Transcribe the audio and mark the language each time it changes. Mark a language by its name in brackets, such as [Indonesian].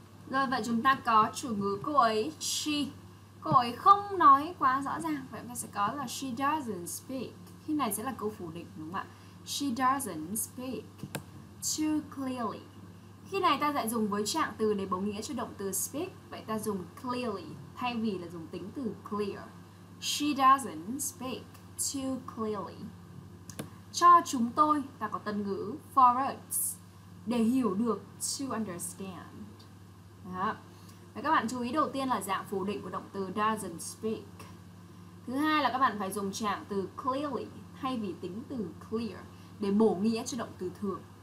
[Vietnamese] Rồi, vậy chúng ta có chủ ngữ cô ấy, she. Cô ấy không nói quá rõ ràng. Vậy ta sẽ có là [English] she doesn't speak. [Vietnamese] Khi này sẽ là câu phủ định đúng không ạ? [English] She doesn't speak too clearly. [Vietnamese] Khi này ta lại dùng với trạng từ để bổ nghĩa cho động từ speak. Vậy ta dùng clearly thay vì là dùng tính từ clear. [English] She doesn't speak too clearly. [Vietnamese] Cho chúng tôi, ta có tân ngữ [English] for us. [Vietnamese] Để hiểu được, [English] to understand. [Vietnamese] Đó. Các bạn chú ý đầu tiên là dạng phủ định của động từ doesn't speak. Thứ hai là các bạn phải dùng trạng từ clearly thay vì tính từ clear để bổ nghĩa cho động từ thường.